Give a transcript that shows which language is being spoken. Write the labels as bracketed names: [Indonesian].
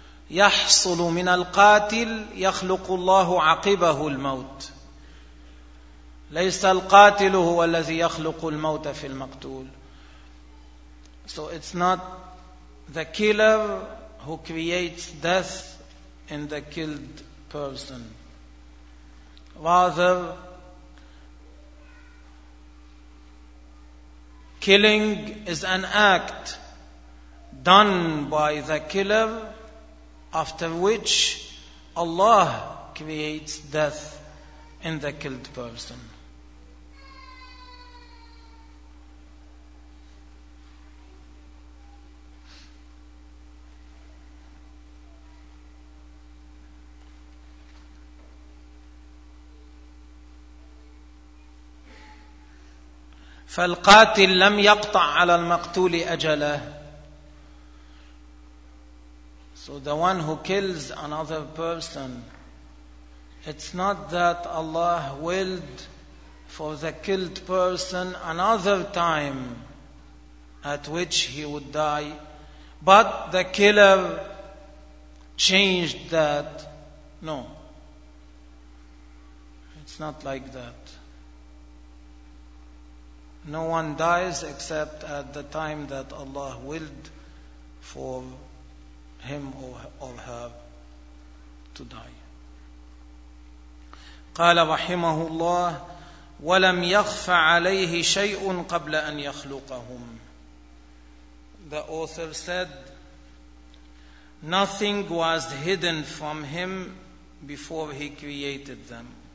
[Arabic] يحصل من القاتل يخلق الله عقبه الموت، ليس القاتل هو الذي يخلق الموت في المقتول. [English] So it's not the killer who creates death in the killed person. Rather, killing is an act done by the killer, after which Allah creates death in the killed person. [Arabic] فالقاتل لم يقطع على المقتول أجله. [English] So the one who kills another person, it's not that Allah willed for the killed person another time at which he would die, but the killer changed that. No, it's not like that. No one dies except at the time that Allah willed for him or her to die. [Arabic] قال رحمه الله ولم يخف عليه شيء قبل أن يخلقهم. [English] The author said, nothing was hidden from him before he created them.